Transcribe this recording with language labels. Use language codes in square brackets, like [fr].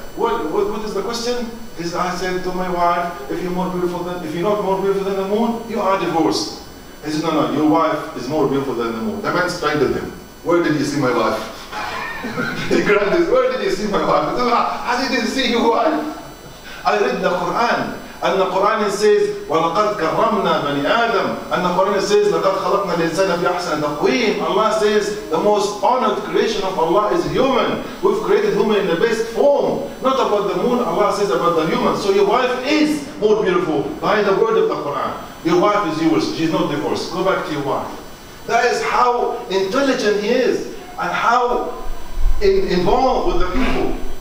[en] What is the question? He says, I said to my wife, if you're not more beautiful than the moon, you are divorced. He says, no, your wife is more beautiful than the moon. The man strangled him. Where did you see my wife? He grabbed his, where did you see my wife? I said, I didn't see your wife. I read the Quran. And the Quran says, [ar] وَلَقَدْ كَرَّمْنَا بَنِي آدَمَ. [en] And the Quran says, [ar] لَقَدْ خَلَقْنَا الْإِنسَانَ فِي أَحْسَنَ تَقْوِيمٍ. [en] Allah says, the most honored creation of Allah is human. We've created human in the best form. Not about the moon, Allah says about the human. So your wife is more beautiful by the word of the Quran. Your wife is yours, she's not divorced. Go back to your wife. That is how intelligent he is and how involved with the people.